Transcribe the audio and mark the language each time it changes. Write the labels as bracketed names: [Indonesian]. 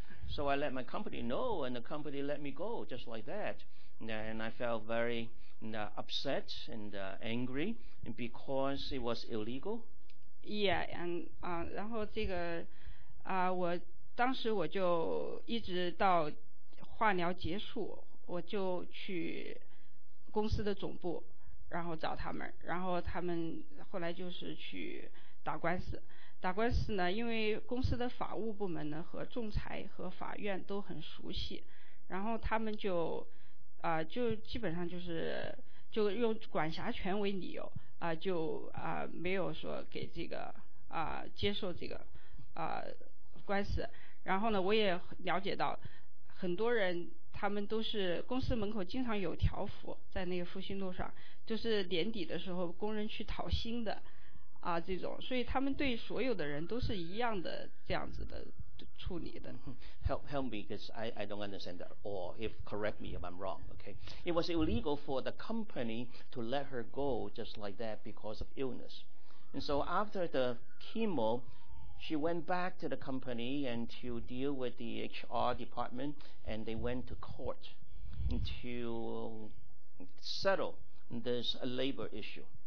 [English] So I let my company know and the company let me go just like that, and I felt very upset and angry because it was illegal. [Chinese] And 然后这个我当时我就一直到化疗结束，我就去公司的总部然后找他们，然后他们后来就是去打官司呢，因为公司的法务部门呢和仲裁和法院都很熟悉，然后他们就基本上就是就用管辖权为理由没有说给这个接受这个官司。然后呢，我也了解到很多人他们都是公司门口经常有条幅在那个复兴路上，就是年底的时候工人去讨薪的这种，所以他们对所有的人都是一样的这样子的处理的。 [English] Help me, because I don't understand that. Or if correct me if I'm wrong, okay? It was illegal for the company to let her go just like that because of illness. And so after the chemo, she went back to the company and to deal with the HR department, and they went to court to settle this labor issue.